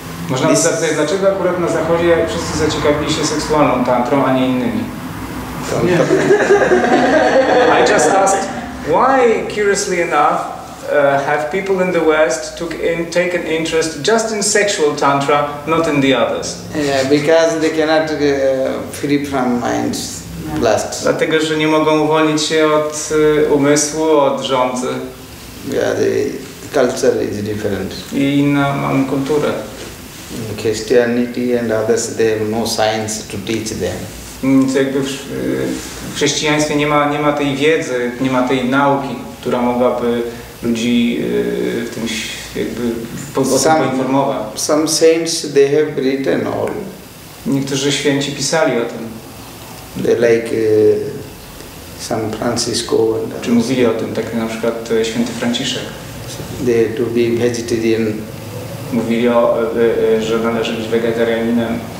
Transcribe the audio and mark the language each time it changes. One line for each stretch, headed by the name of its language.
Polish: Można zapytać, dlaczego akurat na Zachodzie wszyscy zaciekawili się seksualną tantrą, a nie innymi?
English: Yeah. I just asked, why, curiously enough, have people in the West taken interest just in sexual tantra, not in the others? Yeah, because they cannot free from minds. Blast.
Polish: Dlatego, że nie mogą uwolnić się od umysłu, od żądzy.
English: Yeah, the culture is different.
Polish: I inna mamy kulturę.
English: In Christianity and others, they have no science to teach them.
Polish: Jakby w chrześcijaństwie nie ma tej wiedzy, nie ma tej nauki, która mogłaby ludzi w tym jakby poinformować.
English: Some saints they have written all.
Polish: Niektórzy święci pisali o tym.
English: They like San Francisco and
Polish: czy mówili o tym, tak na przykład święty Franciszek.
English: They to be vegetarian.
Polish: mówili, o, że należy być wegetarianinem.